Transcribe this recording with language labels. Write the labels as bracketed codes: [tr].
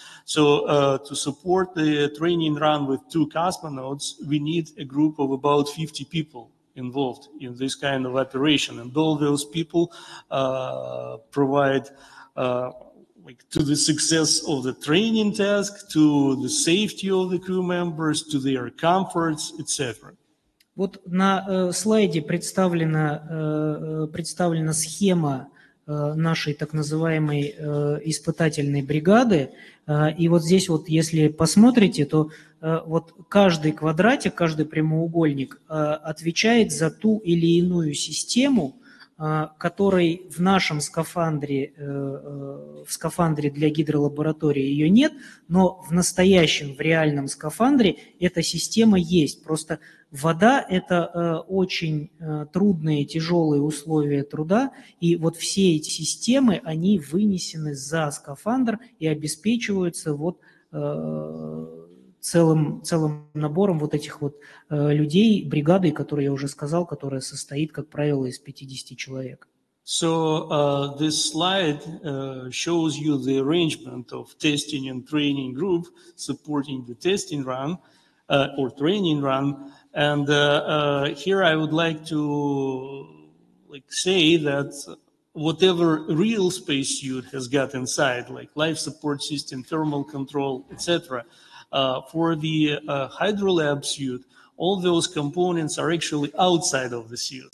[en] So to support the training run with two cosmonauts, we need a group of about 50 people involved in this kind of operation. And all those people provide like to the success of the training task, to the safety of the crew members, to their comforts, etc. [ru] Вот на слайде представлена, представлена схема нашей так называемой испытательной бригады. И вот здесь вот, если посмотрите, то вот каждый квадратик, каждый прямоугольник отвечает за ту или иную систему, которой в нашем скафандре, в скафандре для гидролаборатории ее нет, но в настоящем, в реальном скафандре эта система есть. Просто вода – это очень трудные, тяжелые условия труда, и вот все эти системы, они вынесены за скафандр и обеспечиваются вот целым набором вот этих вот людей, бригады, которую я уже сказал, которая состоит, как правило, из 50 человек. [en] So this slide shows you the arrangement of testing and training group supporting the testing run or training run. And here I would like to like say that whatever real spacesuit has got inside, like life support system, thermal control, etc., for the hydrolab suit, all those components are actually outside of the suit.